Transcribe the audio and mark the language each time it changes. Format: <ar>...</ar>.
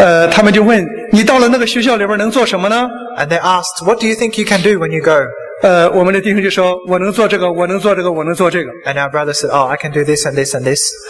<zh>他们就问你到了那个学校里边能做什么呢？</zh> <en>And they asked, what do you think you can do when you go?</en> <zh>我们的弟兄就说我能做这个，我能做这个，我能做这个。</zh> <en>And our brother said, oh, I can do this and this and this.</en>